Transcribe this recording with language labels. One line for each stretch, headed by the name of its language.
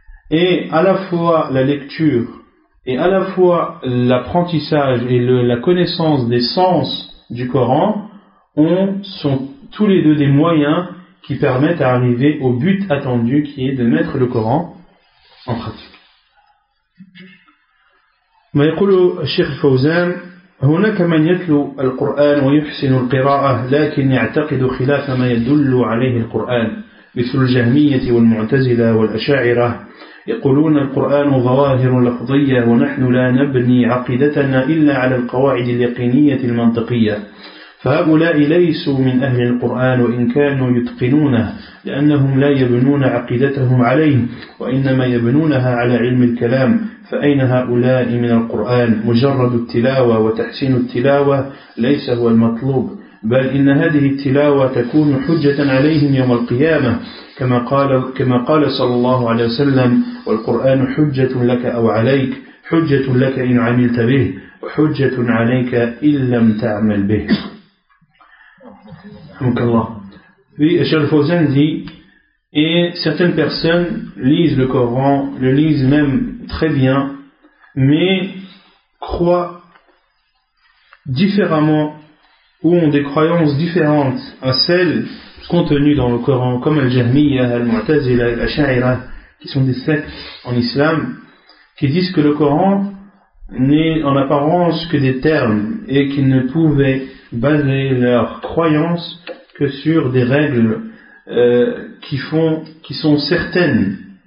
French: Et à la fois la lecture et à la fois l'apprentissage et la connaissance des sens du Coran sont tous les deux des moyens qui permettent d'arriver au but attendu, qui est de mettre le Coran en pratique.
Arabic: Ma yaqulu Cheikh Fawzan, هناك من يتلو القرآن ويحسن القراءة لكن يعتقد خلاف ما يدل عليه القرآن مثل الجهمية والمعتزلة والأشاعرة يقولون القرآن ظواهر لفظية ونحن لا نبني عقيدتنا إلا على القواعد اليقينية المنطقية فهؤلاء ليسوا من أهل القرآن وإن كانوا يتقنونه لأنهم لا يبنون عقيدتهم عليه وإنما يبنونها على علم الكلام فأين هؤلاء من القرآن مجرد التلاوة وتحسين التلاوة ليس هو المطلوب بل إن هذه التلاوة تكون حجة عليهم يوم القيامة كما قال صلى الله عليه وسلم والقرآن حجة لك أو عليك حجة لك إن عملت به وحجة عليك إن لم تعمل به حمك الله.
French: Puis Cheikh Fawzan dit, et certaines personnes lisent le Coran, le lisent même très bien, mais croient différemment ou ont des croyances différentes à celles contenues dans le Coran, comme Al-Jahmiyyah, Al-Mu'tazila, Al-Asha'ira, qui sont des sectes en islam, qui disent que le Coran n'est en apparence que des termes et qu'ils ne pouvaient baser leur croyance que sur des règles qui sont certaines.